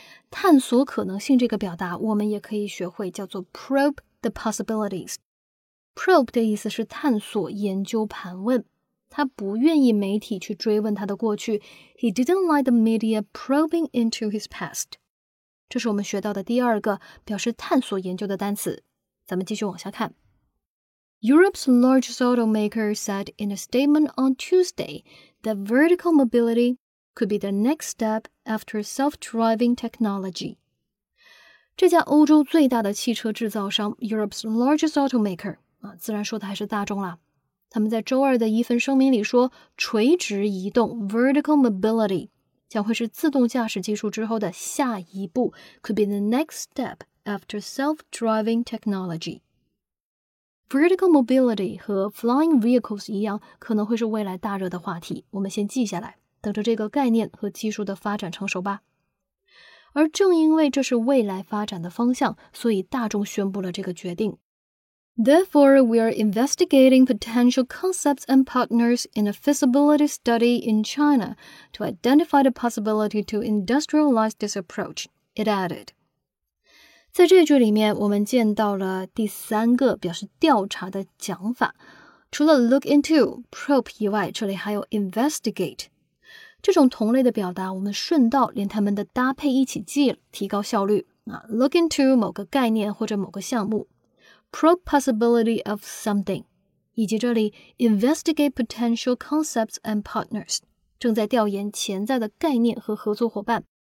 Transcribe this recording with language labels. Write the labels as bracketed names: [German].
[Chinese] 探索可能性这个表达我们也可以学会，叫做 [English] probe the possibilities。 [Chinese] probe 的意思是探索、研究、盘问。他不愿意媒体去追问他的过去， [English] He didn't like the media probing into his past. [Chinese] 这是我们学到的第二个表示探索研究的单词。咱们继续往下看。 [English] Europe's largest automaker said in a statement on Tuesday that vertical mobility could be the next step after self-driving technology. [Chinese] 这家欧洲最大的汽车制造商 [English] Europe's largest automaker, [Chinese] 自然说的还是大众啦。他们在周二的一份声明里说，垂直移动 vertical mobility 将会是自动驾驶技术之后的下一步， [English] could be the next step after self-driving technology. [Chinese] Vertical mobility 和 flying vehicles 一样，可能会是未来大热的话题。我们先记下来，等着这个概念和技术的发展成熟吧。而正因为这是未来发展的方向，所以大众宣布了这个决定。 [English] Therefore, we are investigating potential concepts and partners in a feasibility study in China to identify the possibility to industrialize this approach, it added. [Chinese] 在这句里面，我们见到了第三个表示调查的讲法。除了 look into, probe 以外，这里还有 investigate。这种同类的表达，我们顺道连它们的搭配一起记，提高效率。 Look into 某个概念或者某个项目。 [English] Probe possibility of something, [Chinese] 以及这里 [English] investigate potential concepts and partners, [Chinese] 正在调研潜在的概念和合作伙伴。